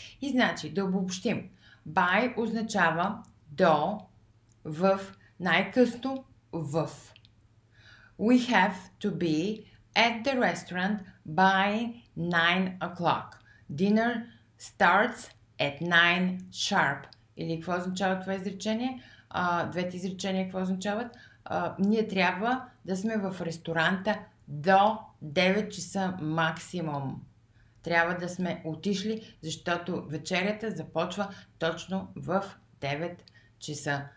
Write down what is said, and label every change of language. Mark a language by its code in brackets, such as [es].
[bg] И значи, да обобщим, by означава до, в, най-късно, в. [en] We have to be at the restaurant by 9 o'clock. Dinner starts at 9 sharp. [bg] Или какво означава това изречение? двете изречения какво означават. Ние трябва да сме в ресторанта до 9 часа максимум. Трябва да сме отишли, защото вечерята започва точно в 9 часа.